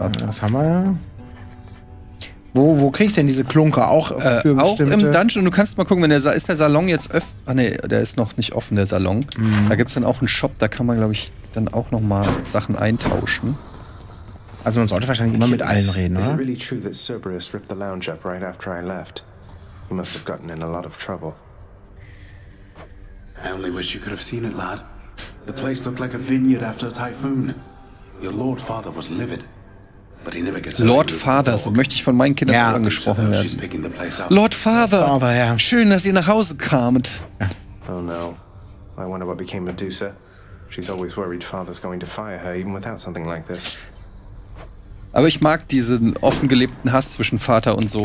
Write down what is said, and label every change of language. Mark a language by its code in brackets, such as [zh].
[de] Was haben wir ja? Wo krieg ich denn diese Klunker? Auch für auch bestimmte? Im Dungeon. Du kannst mal gucken, wenn ist der Salon jetzt öffnet? Ah, nee, der ist noch nicht offen, der Salon. Mhm. Da gibt es dann auch einen Shop, da kann man, glaube ich, dann auch noch mal Sachen eintauschen. Also man sollte wahrscheinlich immer mit allen reden, oder? [en] Is it really true that Cerberus ripped the lounge up right after I left? He must have gotten in a lot of trouble. I only wish you could have seen it, lad. The place looked like a vineyard after a typhoon. Your Lord Father was livid, but he never gets angry. Lord Father, [de] so möchte ich von meinen Kindern angesprochen werden. [en] Lord Father, [de] ja. Schön, dass ihr nach Hause kamt. [en] Oh no, I wonder what became Medusa. She's always worried Father's going to fire her, even without something like this. [de] Aber ich mag diesen offen gelebten Hass zwischen Vater und Sohn.